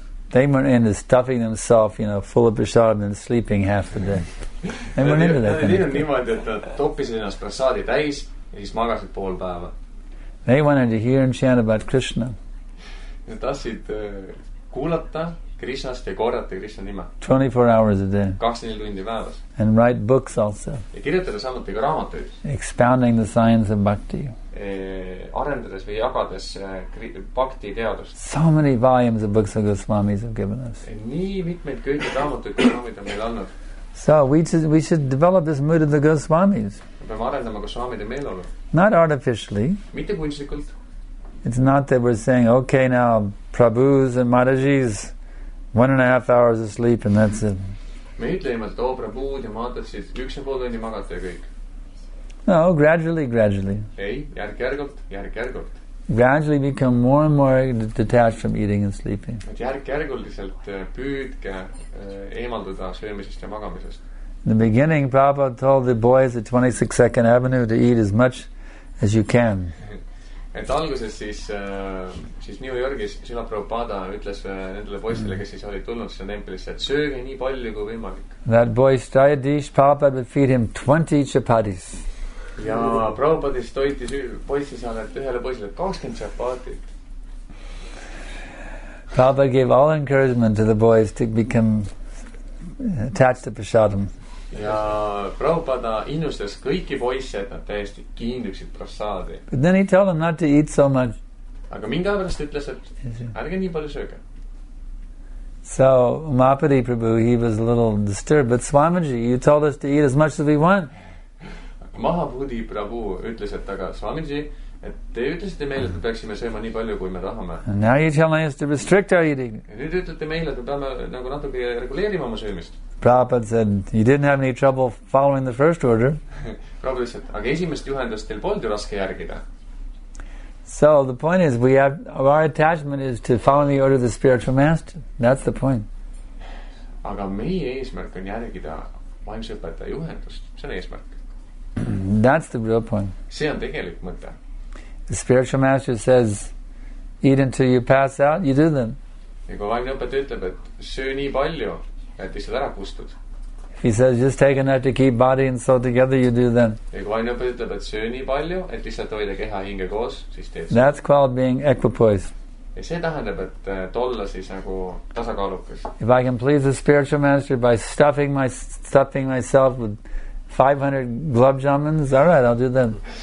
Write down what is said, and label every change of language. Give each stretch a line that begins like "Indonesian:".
English: They were in this stuffing themselves, you know, full of prasadam and sleeping half the day. They were into that.
Estonian: Nii on niimoodi, et nad toppisid ennast prasadi täis ja siis magasid pool päeva.
English: They wanted to hear and chant about Krishna.
Estonian: Nad tahtsid kuulata Krishnast ja korrata Krishna nime.
English: 24 hours a day.
Estonian: 24 tundi päevas.
English: And write books also.
Estonian: Ja kirjutada samuti ka raamatuid.
English: Expounding the science of bhakti.
Estonian: Arendades või jagades bhakti teadust.
English: So many volumes of books of Goswamis have given us.
Estonian: Nii mitmeid kõige raamatuid Goswamid on meil annud.
English: So we should develop this mood of the Goswamis.
Estonian: Peame arendama Goswamide meeleolu.
English: Not artificially.
Estonian: Mitte kunstlikult.
English: It's not that we're saying, okay, now, Prabhus and Matajis, 1.5 hours of sleep and that's it.
Estonian: Me ütleme, et Prabhud ja Matajis, 1.5 tundi magata ja kõik.
English: No, gradually.
Estonian: Ei, järg-järgult.
English: Gradually become more and more detached from eating and sleeping.
Estonian: Et järg-järgulliselt püüdke eemalduda söömisest ja magamisest.
English: In the beginning, Prabhupada told the boys at 26 Second Avenue to eat as much as you can.
Estonian: Et alguses siis New Yorkis Srila Prabhupada ütles nendele poistele, kes siis olid tulnud seda templisse, et sööge nii palju kui võimalik.
English: That boy Stryadish, Prabhupada would feed him 20 chapatis.
Estonian: Ja Prabhupadis toitis poissi saan, et ühele poissile 20 chapatit.
English: Prabhupada gave all encouragement to the boys to become attached to prasadam.
Estonian: Ja Prabhupada innustas kõiki poisse, et nad täiesti kiinduksid prasadi.
English: But then he told them not to eat so much.
Estonian: Aga mingi aegast ütles, et ärge nii palju sööge.
English: So, Umapati Prabhu, he was a little disturbed. But Swamiji, you told us to eat as much as we want.
Estonian: Mahabhudi Prabhu ütles, et aga Swamiji, et te ütlesite meile, et me peaksime sööma nii palju, kui me tahame.
English: And now you tell us to restrict our eating.
Estonian: Ja nüüd ütlete meile, et me peame nagu natuke reguleerima oma söömist.
English: Prabhupada said, you didn't have any trouble following the first order.
Estonian: Prabhupada said, aga esimest juhendust teil poldi raske järgida.
English: So the point is, our attachment is to follow the order of the spiritual master. That's the point.
Estonian: Aga meie eesmärk on järgida vaimse õpetaja juhendust. See on eesmärk.
English: That's the real point.
Estonian: See on tegelik mõte.
English: The spiritual master says, eat until you pass out, you do them.
Estonian: Ja kui vaimne õpetaja ütleb, et söö nii palju, et lihtsalt ära kustud.
English: He says, just take enough to keep body and soul together, you do then.
Estonian: Ja kui vaimne õpetaja ütleb, et söö nii palju, et lihtsalt hoida keha hinge koos, siis teed see.
English: That's called being equipoise.
Estonian: Ja see tähendab, et tolla siis nagu tasakaalukas.
English: If I can please the spiritual master by stuffing myself with 500 glob jamans, all right, I'll do that.